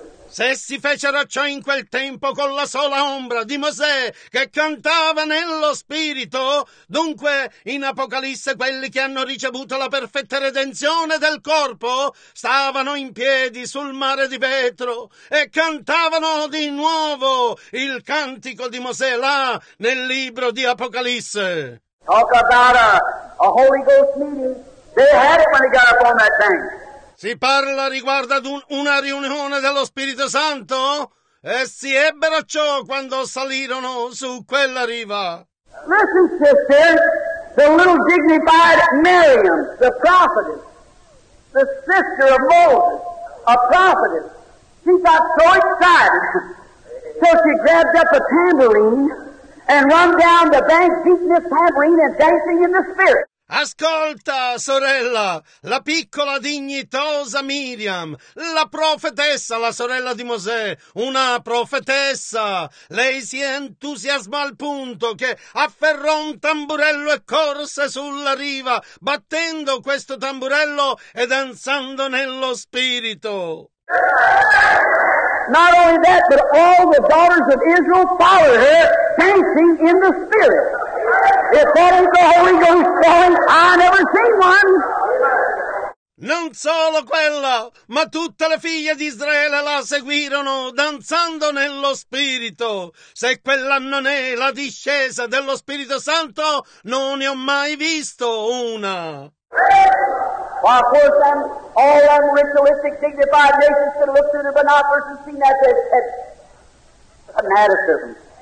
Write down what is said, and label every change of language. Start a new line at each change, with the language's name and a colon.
Italian: Se si fecero ciò in quel tempo con la sola ombra di Mosè che cantava nello spirito, dunque in Apocalisse quelli che hanno ricevuto la perfetta redenzione del corpo stavano in piedi sul mare di vetro e cantavano di nuovo il cantico di Mosè là nel libro di Apocalisse.
English: Talk about a Holy Ghost meeting. They had it when they got up on that thing.
Italian: Si parla riguardo ad una riunione dello Spirito Santo? Essi ebbero ciò quando salirono su quella riva.
English: Listen, sister, the little dignified Miriam, the prophetess, the sister of Moses, a prophetess, she got so excited, so she grabbed up a tambourine and run down the bank, beating this tambourine and dancing in the spirit.
Italian: Ascolta, sorella, la piccola dignitosa Miriam, la profetessa, la sorella di Mosè, una profetessa. Lei si entusiasmò al punto che afferrò un tamburello e corse sulla riva, battendo questo tamburello e danzando nello spirito.
English: Not only that, but all the daughters of Israel followed her, dancing in the spirit. If that ain't the Holy Ghost going, I never seen one.
Italian: Non solo quella, ma tutte le figlie di Israele la seguirono danzando nello spirito. Se quella non è la discesa dello Spirito Santo, non ne ho mai visto una.
English: Why, of course, then, all them ritualistic, dignified nations could have looked through the binoculars and seen that as a fanaticism.